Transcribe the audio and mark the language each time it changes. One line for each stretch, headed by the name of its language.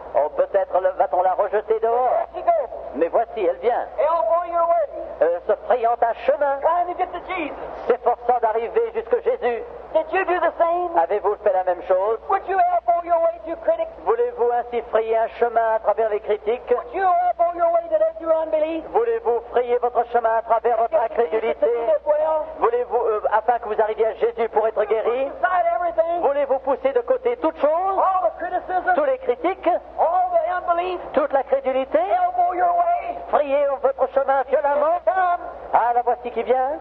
French: Oh, peut-être va-t-on la rejeter dehors.
English: There she goes.
French: Mais voici, elle vient. Et on voit
English: your way.
French: Se frayant un chemin.
English: Trying to get to Jesus.
French: S'efforçant d'arriver jusque Jésus.
English: Did you do the same?
French: Avez-vous fait la même chose?
English: Would you elbow your way to critics?
French: Voulez-vous ainsi frayer un chemin à travers les critiques?
English: Would you elbow your way to those who unbelieve?
French: Voulez-vous frayer votre chemin à travers votre incrédulité? Voulez-vous, afin que vous arriviez à Jésus pour être guéri? Voulez-vous pousser de côté toute chose?
English: All the criticism?
French: Tous les critiques?
English: All the unbelief?
French: Toute la crédulité?
English: Elbow your way?
French: Frayer votre chemin violemment? Ah, la voici qui vient.